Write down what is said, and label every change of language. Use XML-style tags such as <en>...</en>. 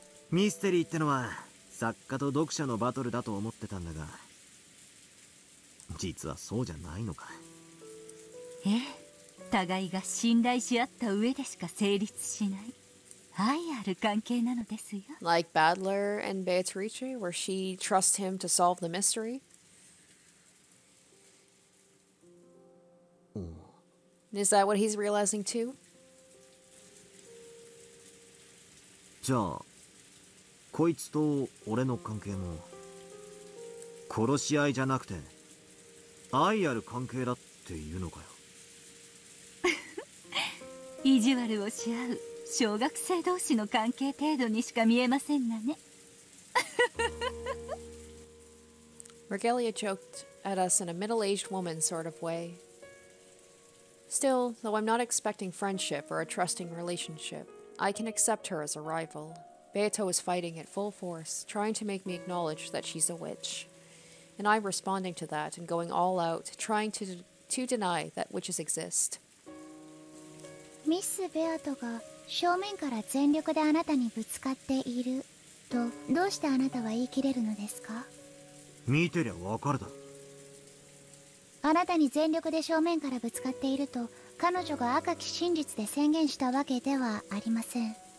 <ja>ミステリーってのは作家と読者のバトルだと思ってたんだが、実はそうじゃないのか。ええ、互いが信頼し合った上でしか成立しない愛ある関係なのですよ。</ja> <en>Like Badler and Beatrice, where she trusts him to solve the mystery. Is that what he's realizing too?</en> <ja>じゃあこいつと俺の関係も殺し合いじゃなくて愛ある関係だっていうのかよ。意地悪をし合う小学生同士の関係程度にしか見えませんがね。</ja> <en>Regalia joked at us in a middle-aged woman sort of way. Still, though I'm not expecting friendship or a trusting relationship, I can accept her as a rival. Beato is fighting at full force, trying to make me acknowledge that she's a witch. And I'm responding to that and going all out, trying to deny that witches exist.</en> <ja>ミス・ベアトが正面から全力であなたにぶつかっていると、どうしてあなたは言い切れるのですか？見てりゃわかるだ。あなたに全力で正面からぶつかっていると、彼女が赤き真実で宣言したわけではありません。</ja>